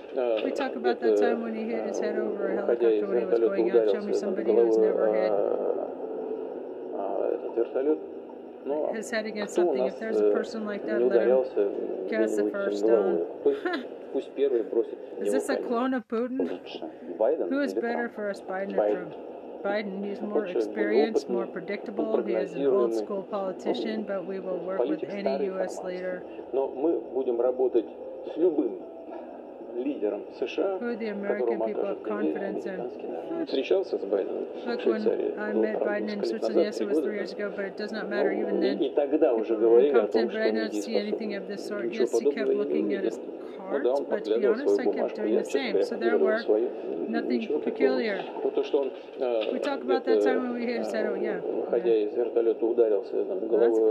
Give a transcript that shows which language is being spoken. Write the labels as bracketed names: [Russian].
[Russian] уходя из вертолета, ударился над головой этот вертолет. Ну, кто у нас не ударялся где-нибудь над головой? Пусть первый бросит. [English] Is this a clone of Putin? [Russian] Байден? [English] Who is better for us, Biden or Trump? Biden, he's more experienced, more predictable. He is an old school politician, but we will work with any U.S. leader. [Russian] Но мы будем работать с любым лидером США, которому окажет доверие американский народ. [English] Look, when I met Biden in Switzerland, yes, it was 3 years ago, but it does not matter even then. [Russian] И тогда уже говорили о том, что [English] I did not see anything of this sort. Yes, he kept looking at his cards, but to be honest, I kept doing the same. So there were nothing peculiar. We talk about that time when we hit his head. Oh yeah. [Russian] Выходя из вертолета, ударился там головой.